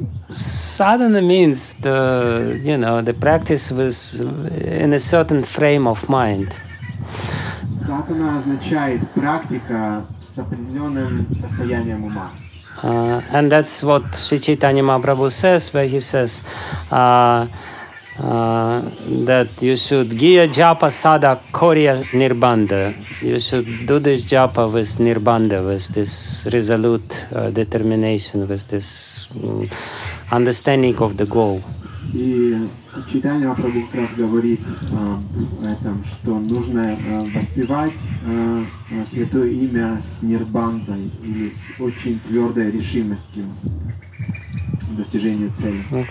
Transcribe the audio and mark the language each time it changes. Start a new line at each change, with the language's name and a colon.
English: Sadhana means the, you know, the practice was in a certain frame of mind.
Russian: Sadhana означает практика с определенным состоянием ума.
English: And that's what Sri Chaitanya Mahaprabhu says, where he says that you should
Bangla: giya japa sada koriya nirbanda.
English: You should do this japa with nirbanda, with this resolute determination, with this understanding of the goal.
Russian: И Чайтанья Махапрабху как раз говорит о этом, что нужно воспевать святое имя с нирбандой или с очень твердой решимостью в достижении цели.